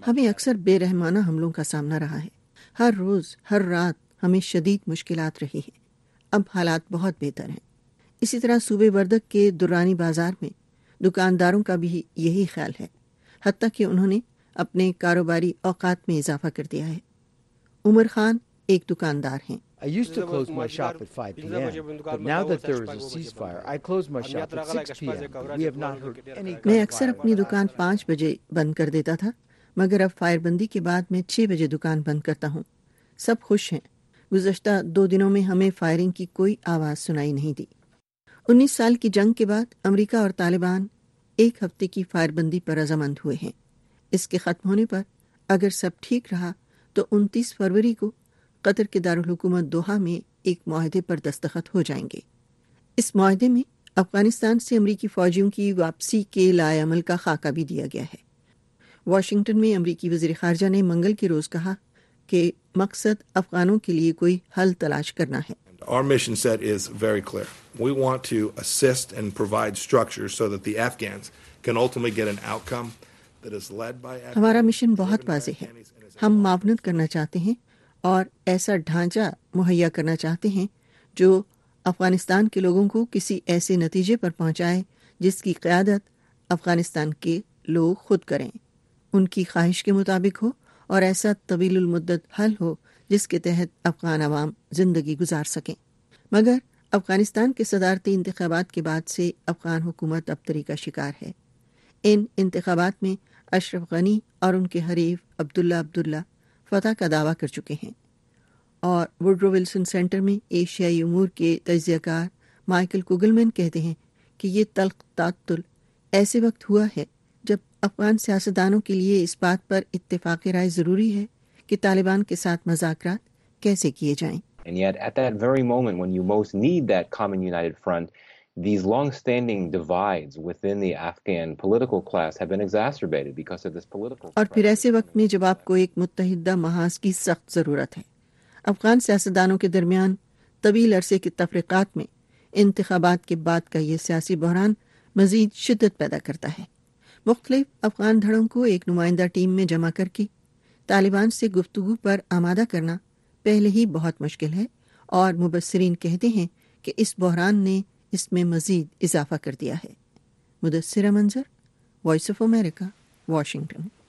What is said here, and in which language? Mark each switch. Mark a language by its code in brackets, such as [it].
[ur] ہمیں اکثر بے رحمانہ حملوں کا سامنا رہا ہے۔ ہر روز ہر رات ہمیں شدید مشکلات رہی ہیں۔ اب حالات بہت بہتر ہیں۔ اسی طرح صوبے وردک کے درانی بازار میں دکانداروں کا بھی یہی خیال ہے، حتیٰ کہ انہوں نے اپنے کاروباری اوقات میں اضافہ کر دیا ہے۔ عمر خان ایک دکاندار ہیں۔ [en] I used to close my shop at 5 p.m. but now that there is a ceasefire I close my shop at 6 p.m. we have not heard any [ur] میں اکثر اپنی دکان 5 بجے بند کر دیتا تھا، مگر اب فائر بندی کے بعد میں 6 بجے دکان بند کرتا ہوں۔ سب خوش ہیں۔ گزشتہ 2 دنوں میں ہمیں فائرنگ کی کوئی آواز سنائی نہیں دی۔ 19 سال کی جنگ کے بعد امریکہ اور طالبان ایک ہفتے کی فائر بندی پر رضامند ہوئے ہیں۔ اس کے ختم ہونے پر اگر سب ٹھیک رہا تو 29 فروری کو قطر کے دارالحکومت دوحہ میں ایک معاہدے پر دستخط ہو جائیں گے۔ اس معاہدے میں افغانستان سے امریکی فوجیوں کی واپسی کے لائے عمل کا خاکہ بھی دیا گیا ہے۔ واشنگٹن میں امریکی وزیر خارجہ نے منگل کے روز کہا کہ مقصد افغانوں کے لیے کوئی حل تلاش کرنا ہے۔ [en] Our mission set is very clear. We want to assist and provide structure so that the Afghans can ultimately get an outcome that is led by Afghans. [ur] ہمارا مشن بہت واضح ہے۔ ہم معاونت کرنا چاہتے ہیں اور ایسا ڈھانچہ مہیا کرنا چاہتے ہیں جو افغانستان کے لوگوں کو کسی ایسے نتیجے پر پہنچائے جس کی قیادت افغانستان کے لوگ خود کریں، ان کی خواہش کے مطابق ہو، اور ایسا طویل المدت حل ہو جس کے تحت افغان عوام زندگی گزار سکیں۔ مگر افغانستان کے صدارتی انتخابات کے بعد سے افغان حکومت ابتری کا شکار ہے۔ ان انتخابات میں اشرف غنی اور ان کے حریف عبداللہ عبداللہ فتح کا دعویٰ کر چکے ہیں، اور وڈرو ولسن سینٹر میں ایشیائی امور کے تجزیہ کار مائیکل کوگلمین کہتے ہیں کہ یہ تلخ تعطل ایسے وقت ہوا ہے جب افغان سیاستدانوں کے لیے اس بات پر اتفاق رائے ضروری ہے کہ طالبان کے ساتھ مذاکرات کیسے کیے جائیں۔ [en] And yet at that very moment when you most need that common united front, these long standing divides within the Afghan political class have been exacerbated because of this political [ur] اور پھر ایسے وقت میں جب آپ کو ایک متحدہ محاذ کی سخت ضرورت ہے، افغان سیاستدانوں کے درمیان طویل عرصے کے تفریقات میں انتخابات کے بعد کا یہ سیاسی بحران مزید شدت پیدا کرتا ہے۔ مختلف افغان دھڑوں کو ایک نمائندہ ٹیم میں جمع کر کے طالبان سے گفتگو پر آمادہ کرنا پہلے ہی بہت مشکل ہے، اور مبصرین کہتے ہیں کہ اس بحران نے اس میں مزید اضافہ کر دیا ہے۔ مدثرہ منظر، وائس آف امریکہ، واشنگٹن۔